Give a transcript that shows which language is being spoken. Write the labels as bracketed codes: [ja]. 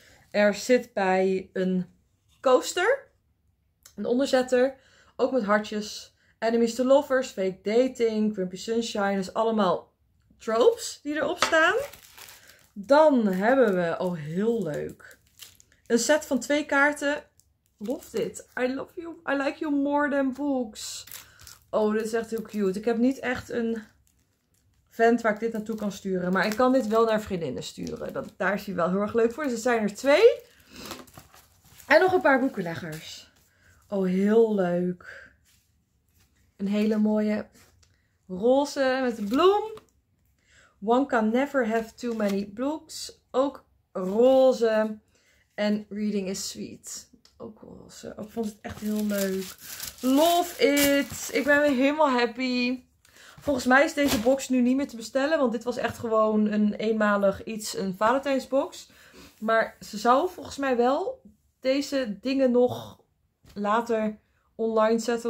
[nl] Er zit bij een coaster, een onderzetter, ook met hartjes. Enemies to Lovers, Fake Dating, Grumpy Sunshine, dus allemaal tropes die erop staan. Dan hebben we, oh heel leuk, een set van 2 kaarten. [en] Love it, I love you, I like you more than books. [nl] Oh, dit is echt heel cute. Ik heb niet echt een vent waar ik dit naartoe kan sturen. Maar ik kan dit wel naar vriendinnen sturen. Daar is hij wel heel erg leuk voor. Dus er zijn er 2. En nog een paar boekenleggers. Oh, heel leuk. Een hele mooie roze met een bloem. [en] One can never have too many books. [nl] Ook roze. En [en] reading is sweet. [nl] Ook roze. Ik vond het echt heel leuk. [en] Love it. [nl] Ik ben weer helemaal happy. Volgens mij is deze box nu niet meer te bestellen. Want dit was echt gewoon een eenmalig iets. Een Valentijnsbox. Maar ze zou volgens mij wel deze dingen nog later online zetten.